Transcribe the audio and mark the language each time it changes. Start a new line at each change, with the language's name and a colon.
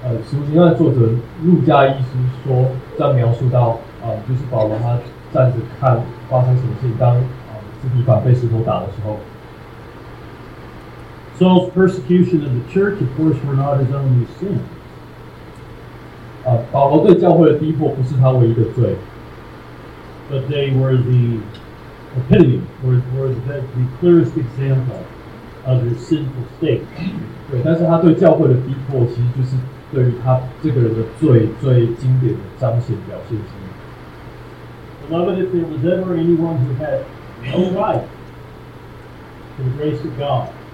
Chinese: 书信上的作者路加医师说，这样描述到就是保罗他站着看发生什么事情，当斯提凡被石头打的时候。
English: Saul's persecution of the church, of course, were not his only sin.
Chinese: 保罗对教会的逼迫不是他唯一的罪。
English: But they were the epitome, were the clearest example of his sinful state.
Chinese: 对，但是他对教会的逼迫其实就是对于他这个人的罪最经典的彰显表现之一。
English: Beloved, if there was ever anyone who had no right to the grace of God,